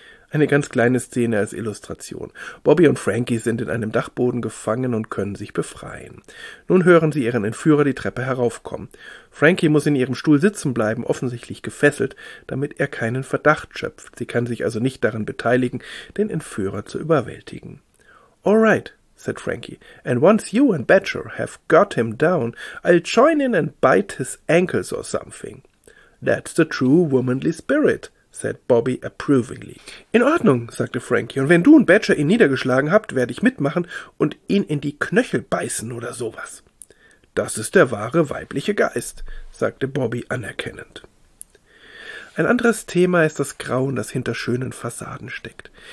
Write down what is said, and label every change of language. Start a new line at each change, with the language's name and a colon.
German: Eine ganz kleine Szene als Illustration. Bobby und Frankie sind in einem Dachboden gefangen und können sich befreien. Nun hören sie ihren Entführer die Treppe heraufkommen. Frankie muss in ihrem Stuhl sitzen bleiben, offensichtlich gefesselt, damit er keinen Verdacht schöpft. Sie kann sich also nicht daran beteiligen, den Entführer zu überwältigen.
English: "All right," said Frankie, "and once you and Badger have got him down, I'll join in and bite his ankles or something." "That's the true womanly spirit," said Bobby approvingly.
German: "In Ordnung," sagte Frankie, "und wenn du und Badger ihn niedergeschlagen habt, werde ich mitmachen und ihn in die Knöchel beißen oder sowas." "Das ist der wahre weibliche Geist," sagte Bobby anerkennend. Ein anderes Thema ist das Grauen, das hinter schönen Fassaden steckt.